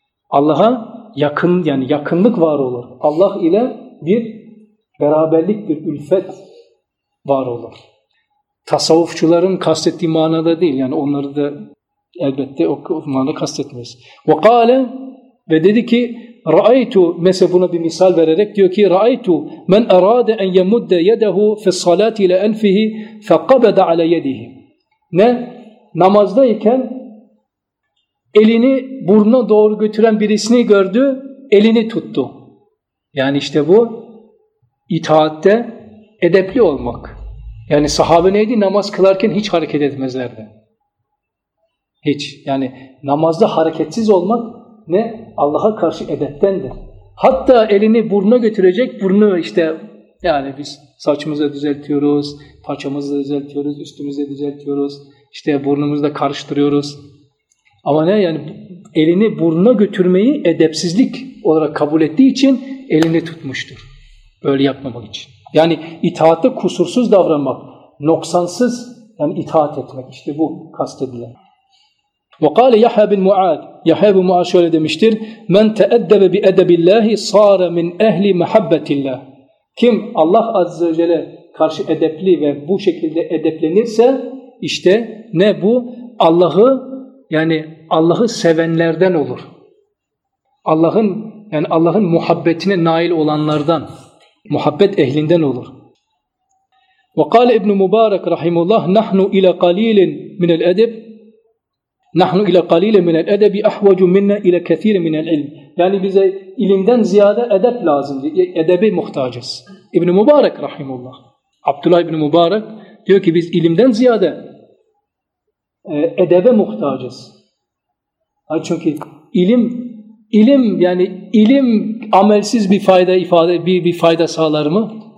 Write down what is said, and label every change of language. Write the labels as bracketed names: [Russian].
[Turkish] Allah'a yakın, yani yakınlık var olur. Allah ile bir beraberlik, bir ülfet var olur. Tasavvufçuların kastettiği manada değil. Yani onları da elbette o manada kastetmez. Ve kâle ve dedi ki [Arabic] رَأَيْتُ [Turkish] mesela buna bir misal vererek diyor ki [Arabic] رَأَيْتُ مَنْ اَرَادَ اَنْ يَمُدَّ يَدَهُ فِي الصَّلَاتِ لَاَنْفِهِ فَقَبَدَ عَلَى يَدِهِ [Turkish] Ne? Namazdayken elini burnuna doğru götüren birisini gördü, elini tuttu. Yani işte bu itaatte edepli olmak. Yani sahabe neydi? Namaz kılarken hiç hareket etmezlerdi. Hiç. Yani namazda hareketsiz olmak ne? Allah'a karşı edeptendir. Hatta elini burnuna götürecek, burnu işte yani biz saçımızı düzeltiyoruz, paçamızı düzeltiyoruz, üstümüzü düzeltiyoruz, işte burnumuzu da karıştırıyoruz. Ama ne yani elini burnuna götürmeyi edepsizlik olarak kabul ettiği için elini tutmuştur. Böyle yapmamak için. Yani itaatte kusursuz davranmak, noksansız yani itaat etmek işte bu kastedilen. [Arabic] وقال يحيى بن معاذ يحيى بن معاذ [Turkish] şöyle demiştir. [Arabic] من تأدب بأدب الله صار من أهل محبة الله. [Turkish] Kim Allah azze ve celle karşı edepli ve bu şekilde edeplenirse işte ne bu Allah'ı yani Allah'ı sevenlerden olur. Allah'ın yani Allah'ın muhabbetine nail olanlardan, muhabbet ehlinden olur. [Arabic] وقال ابن مبارك رحمه الله نحن الى قليل من الادب نحن الى قليل من الادب احوج منا الى كثير من العلم. [Turkish] Yani bize ilimden ziyade edep lazım. Edebe muhtacız. İbn Mübarek rahimullah. Abdullah İbn Mübarek diyor ki biz ilimden ziyade edebe muhtacız. Çünkü ilim yani ilim amelsiz bir fayda sağlar mı?